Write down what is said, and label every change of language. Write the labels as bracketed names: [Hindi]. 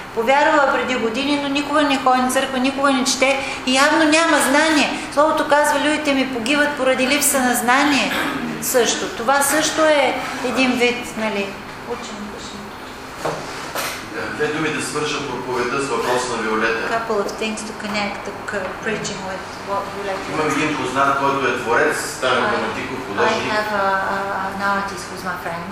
[Bulgarian] Повярвала преди години, но никога не ходи на църква, никога не чете и явно няма знание. Словото казва, людите ми погиват поради липса на знание също. Това също е един вид, нали, учен. Две думи да свържа проповеда с въпрос на Виолета. [English] A couple of things to connect the preaching with what Violeta. [Bulgarian] Имам един познат, който е творец, стар математиков художник. [English] I have an artist who's my friend.